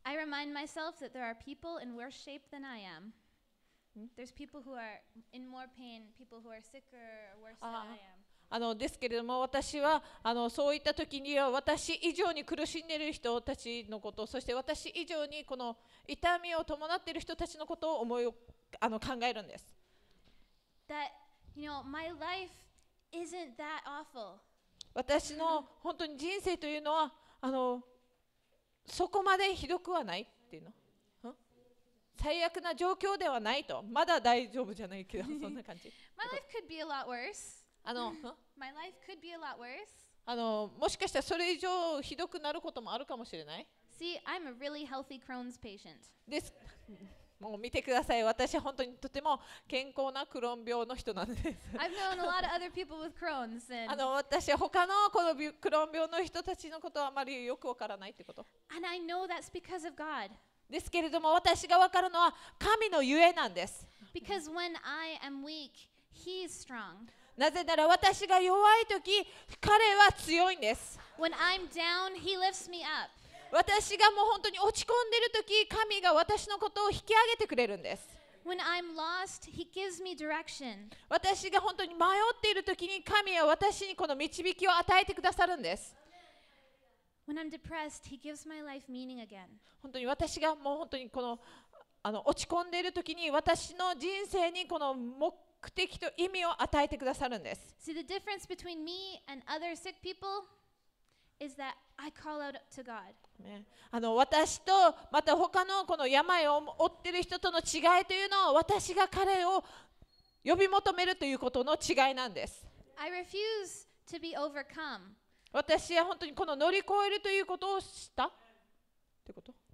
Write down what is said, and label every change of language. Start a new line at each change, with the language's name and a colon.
English: I remind myself that there are people in worse shape than I am. There's people who are in more pain, people who are sicker or worse than I am.
Japanese: あのですけれども私はあのそういった時には私以上に苦しんでいる人たちのこと、そして私以上にこの痛みを伴っている人たちのことを思いあの考えるんです。
English: That, you know, my life isn't that awful.
Japanese: 私の本当に人生というのはあのそこまでひどくはないっていうの、最悪な状況ではないと、まだ大丈夫じゃないけどそんな感じ。
English: My life could be a lot worse. My life could be a lot worse.
Japanese: あのもしかしたらそれ以上ひどくなることもあるかもしれない。
English: See, I'm a really healthy Crohn's patient.
Japanese: です。もう見てください。私は本当にとても健康なクローン病の人なんです。
English: I've known a lot of other people with Crohn's.
Japanese: あの私は他のこのクローン病の人たちのことはあまりよくわからないってこと。
English: And I know that's because of God.
Japanese: ですけれども私がわかるのは神のゆえなんです。
English: Because when I am weak, He's strong.
Japanese: なぜなら私が弱いとき彼は強いんです。
English: When I'm down, he lifts me up.
Japanese: 私がもう本当に落ち込んでるとき神が私のことを引き上げてくれるんです。
English: When I'm lost, he gives me direction.
Japanese: 私が本当に迷っているときに神は私にこの導きを与えてくださるんです。
English: When I'm depressed, he gives my life meaning again.
Japanese: 本当に私がもう本当にこのあの落ち込んでいるときに私の人生にこの目的と意味を与えてくださるんです。
English: See, the difference between me and other sick people is that I call out to God.
Japanese: あの私とまた他のこの病を負っている人との違いというのは私が彼を呼び求めるということの違いなんです。
English: I refuse to be overcome.
Japanese: 私は本当にこの乗り越えるということをしたってこと。